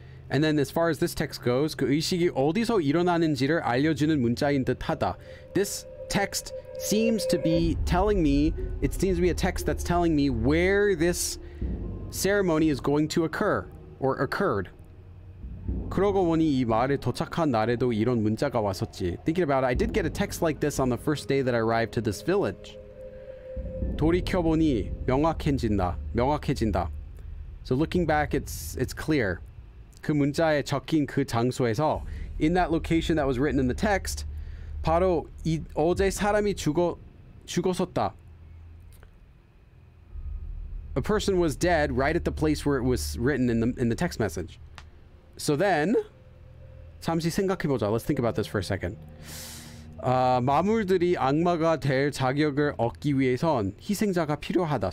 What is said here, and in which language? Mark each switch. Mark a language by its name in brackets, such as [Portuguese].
[English] And then as far as this text goes, [Korean] 그 의식이 어디서 일어나는지를 알려주는 문자인 듯하다. [English] This text seems to be telling me, it seems to be a text that's telling me where this ceremony is going to occur or occurred. [Korean] 그러고 보니 이 마을에 도착한 날에도 이런 문자가 왔었지. [English] Thinking about it, I did get a text like this on the first day that I arrived to this village. [Korean] 돌이켜보니 명확해진다. 명확해진다. [English] So looking back, it's clear. [Korean] 그 문자에 적힌 그 장소에서 [English] in that location that was written in the text, [Korean] 바로 이 어제 사람이 죽었었다. [English] A person was dead right at the place where it was written in the text message. So then, [Korean] 잠시 생각해보자. [English] Let's think about this for a second. [Korean] 마물들이 악마가 될 자격을 얻기 위해선 희생자가 필요하다.